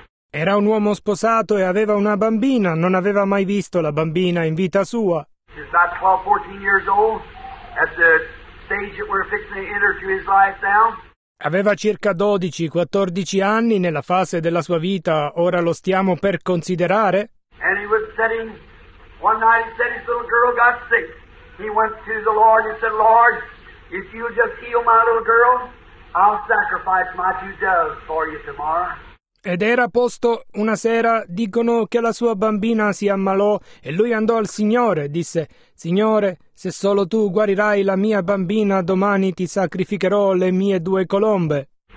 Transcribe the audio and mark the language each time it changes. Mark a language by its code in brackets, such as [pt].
[it] Era un uomo sposato e aveva una bambina, non aveva mai visto la bambina in vita sua. [en] He's about 12-14 years old at the stage that we're fixing to enter to his life now. [it] Aveva circa 12-14 anni nella fase della sua vita, ora lo stiamo per considerare. [en] And he was sitting, one night he said his little girl got sick. He went to the Lord and said, Lord, if you'll just heal my little girl, I'll sacrifice my two doves for you tomorrow. [it] Ed era posto una sera, dicono che la sua bambina si ammalò e lui andò al Signore e disse, Signore, se solo tu guarirai la mia bambina, domani ti sacrificherò le mie due colombe.